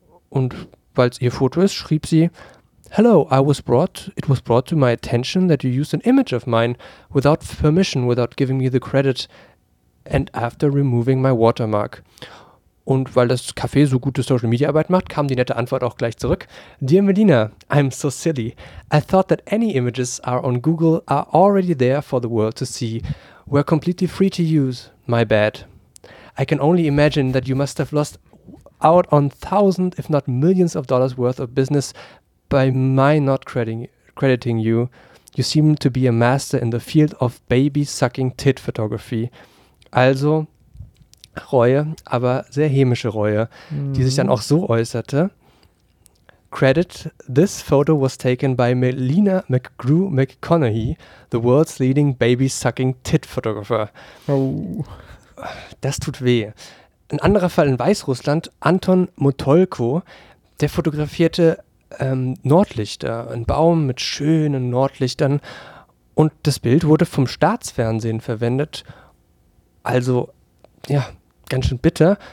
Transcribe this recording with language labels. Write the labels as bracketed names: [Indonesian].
[German] Und weil es ihr Foto ist, schrieb sie, [English] "Hello, it was brought to my attention that you used an image of mine without permission, without giving me the credit. And after removing my watermark." [German] Und weil das Café so gute Social-Media-Arbeit macht, kam die nette Antwort auch gleich zurück. [English] Dear Melina, I'm so silly. I thought that any images are on Google are already there for the world to see. We're completely free to use. My bad. I can only imagine that you must have lost out on thousands, if not millions of dollars worth of business by my not crediting you. You seem to be a master in the field of baby-sucking tit photography. [German] Also, Reue, aber sehr hämische Reue, die sich dann auch so äußerte. [English] Credit, this photo was taken by Melina McGrew-McConaughey, the world's leading baby-sucking tit photographer. Oh. [German] Das tut weh. Ein anderer Fall in Weißrussland, Anton Motolko, der fotografierte Nordlichter, einen Baum mit schönen Nordlichtern. Und das Bild wurde vom Staatsfernsehen verwendet. Also, ja, ganz schön bitter.